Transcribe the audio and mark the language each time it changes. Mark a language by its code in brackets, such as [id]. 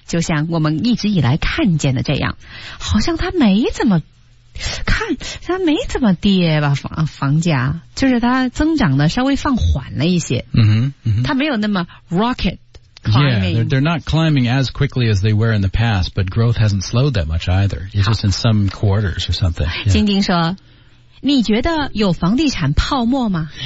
[zh] 就像我们一直以来看见的这样。好像它没怎么看它没怎么跌吧 房价。就是它增长的稍微放缓了一些。 Mm-hmm. Mm-hmm. 它没有那么 rocket climbing. [en] Yeah, they're not climbing as quickly as they were in the past, but growth hasn't slowed that much either. It's just in some quarters or something. [zh] 晶晶说你觉得有房地产泡沫吗？